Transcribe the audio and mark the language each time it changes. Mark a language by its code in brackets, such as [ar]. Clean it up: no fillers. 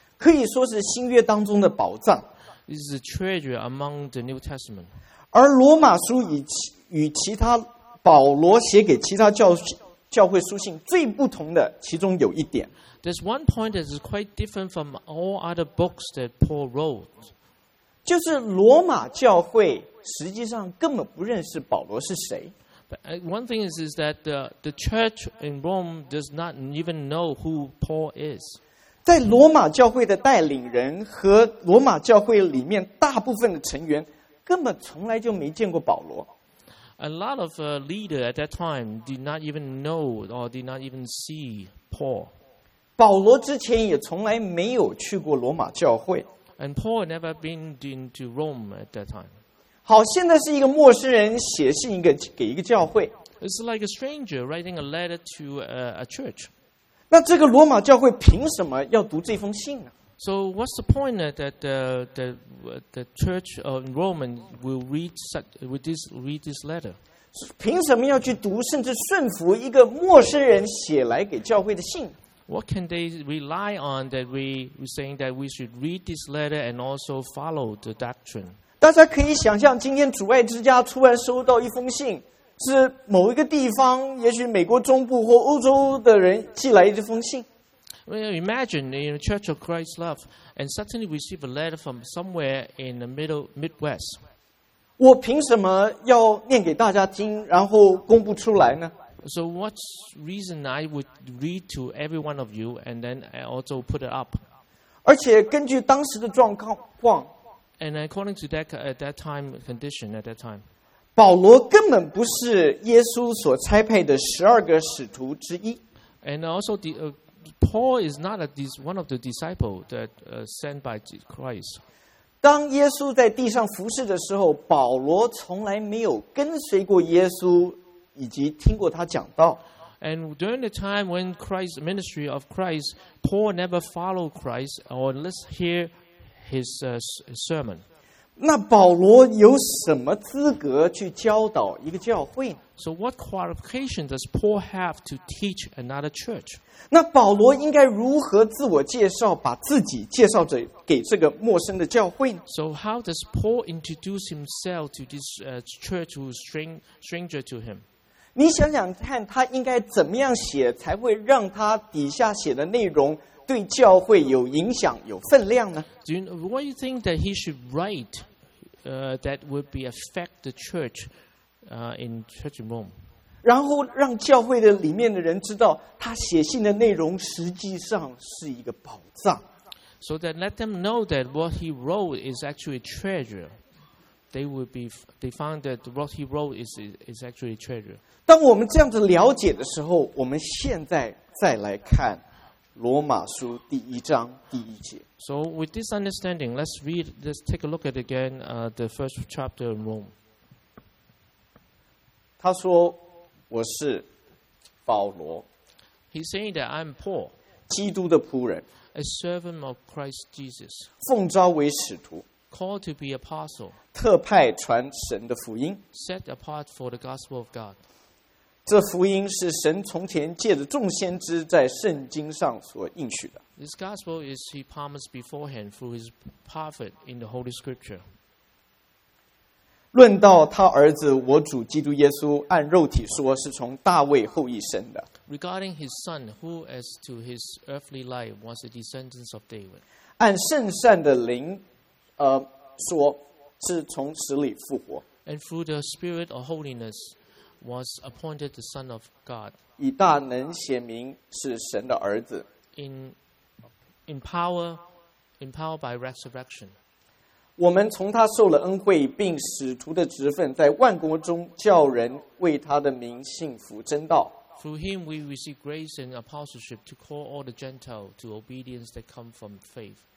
[zh] 可以说是新约当中的宝藏。 [en] This is a treasure among the New Testament. [zh] 而罗马书与其他保罗写给其他教会书信最不同的其中有一点。 [en] There's one point that is quite different from all other books that Paul wrote. [zh] 就是罗马教会实际上根本不认识保罗是谁。 [en] But one thing is that the church in Rome does not even know who Paul is. [zh] 在罗马教会的带领人和罗马教会里面大部分的成员根本从来就没见过保罗。 [en] A lot of leaders at that time did not even know or did not even see Paul. [zh] 保罗之前也从来没有去过罗马教会。 [en] And Paul never been into Rome at that time. [zh] 好，现在是一个陌生人写信给一个教会。 [en] It's like a stranger writing a letter to a church. [zh] 那这个罗马教会凭什么要读这封信呢？ [en] So what's the point that the church of Rome will read this letter? [zh] 凭什么要去读甚至顺服一个陌生人写来给教会的信？ [en] What can they rely on that we were saying that we should read this letter and also follow the doctrine? [zh] 大家可以想象今天主爱之家突然收到一封信是某一个地方，也许美国中部或欧洲的人寄来一封信。 [en] Well, imagine in the Church of Christ's Love, and suddenly receive a letter from somewhere in the Midwest. [zh] 我凭什么要念给大家听，然后公布出来呢 [en] ？So what reason I would read to every one of you, and then I also put it up? [zh] 而且根据当时的状况 [en] ，and according to that at that time condition at that time. [zh] 保罗根本不是耶稣所差派的十二个使徒之一。 [en] And also, Paul is not one of the disciples that sent by Christ. [zh] 当耶稣在地上服事的时候，保罗从来没有跟随过耶稣，以及听过他讲道。 [en] And during the time when Christ's ministry of Christ, Paul never followed Christ or let's hear his sermon. [zh] 那保罗有什么资格去教导一个教会呢 [en] ？So what qualification does Paul have to teach another church? [zh] 那保罗应该如何自我介绍，把自己介绍给这个陌生的教会呢 [en] ？So how does Paul introduce himself to this church who is stranger to him? [zh] 你想想看，他应该怎么样写，才会让他底下写的内容？对教会有影响、有分量呢 [en] ？What do you think that he should write, that would be affect the church, in church in Rome? [zh] 然后让教会的里面的人知道，他写信的内容实际上是一个宝藏。 [en] So that let them know that what he wrote is actually treasure. They found that what he wrote is actually treasure. [zh] 当我们这样子了解的时候，我们现在再来看。罗马书第一章第一节。 [en] So with this understanding, let's take a look at again, the first chapter in Rome. [zh] 他说：“我是保罗。” [en] He's saying that I'm Paul, [zh] 基督的仆人 [en] ，a servant of Christ Jesus, [zh] 奉召为使徒 [en] ，called to be apostle, [zh] 特派传神的福音 [en] ，set apart for the gospel of God. [zh] 这福音是神从前借着众先知在圣经上所应许的。 [en] This gospel is he promised beforehand through his prophet in the Holy Scripture. [zh] 论到他儿子我主基督耶稣按肉体说是从大卫后裔生的。 [en] Regarding his son, who as to his earthly life was a descendant of David. [zh] 按圣善的灵说是从死里复活。 [en] And through the spirit of holiness was appointed the son of God. [zh] 以大能显明是神的儿子。 [en] In power by resurrection. [zh] 我们从他受了恩惠并使徒的职分在万国中叫人为他的名信服真道。 [en] Through him we receive grace and apostleship to call all the Gentiles to obedience that come from faith.